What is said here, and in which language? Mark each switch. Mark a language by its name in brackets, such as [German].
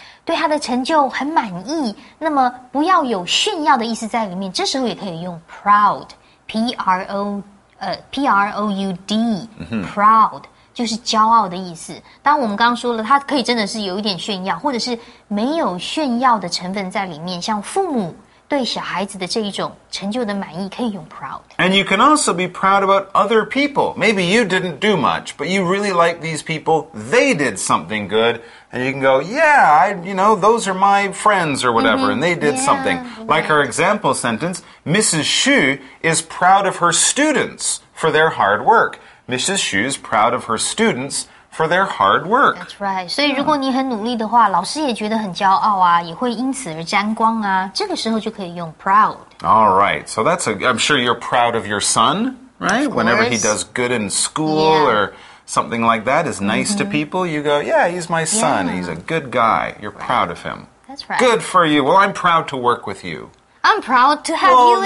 [Chinese] 对他的成就很满意，那么不要有炫耀的意思在里面，这时候也可以用 proud, P-R-O-U-D,、 mm-hmm. proud, 就是骄傲的意思。当我们刚说了，他可以真的是有一点炫耀，或者是没有炫耀的成分在里面，像父母对小孩子的这一种成就的满意可以用 proud. [English] And you can also be proud about other people. Maybe you didn't do much, but you really like these people. They did something good. And you can go, yeah, I, you know, those are my friends or whatever,、mm-hmm. and they did yeah, something. Like、 our example sentence, Mrs. Xu is proud of her students for their hard work. Mrs. Xu is proud of her students for their hard work. That's right. [Chinese] 所以如果你很努力的话、嗯、老师也觉得很骄傲啊，也会因此而沾光啊，这个时候就可以用 proud. [English] All right. So that's a, I'm sure you're proud of your son, right? Whenever he does good in school、 yeah. or... Something like that is nice、mm-hmm. to people. You go, yeah, he's my son.、 Yeah. He's a good guy. You're、right. proud of him. That's right. Good for you. Well, I'm proud to work with you. I'm proud to have well,